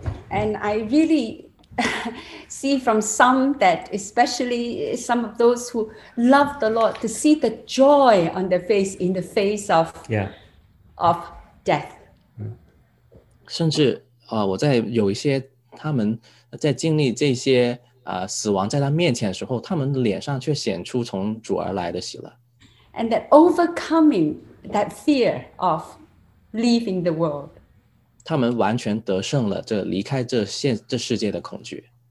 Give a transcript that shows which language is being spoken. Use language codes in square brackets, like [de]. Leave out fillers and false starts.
[en] And I really see from some that, especially some of those who love the Lord, to see the joy on their face in the face of, of death. [zh] 甚至我在有一些他们在经历这些死亡在他面前的时候，他们脸上却显出从主而来的喜乐。 [en] And that overcoming that fear of leaving the world. [zh] 他们完全得胜了这离开这世界的恐惧。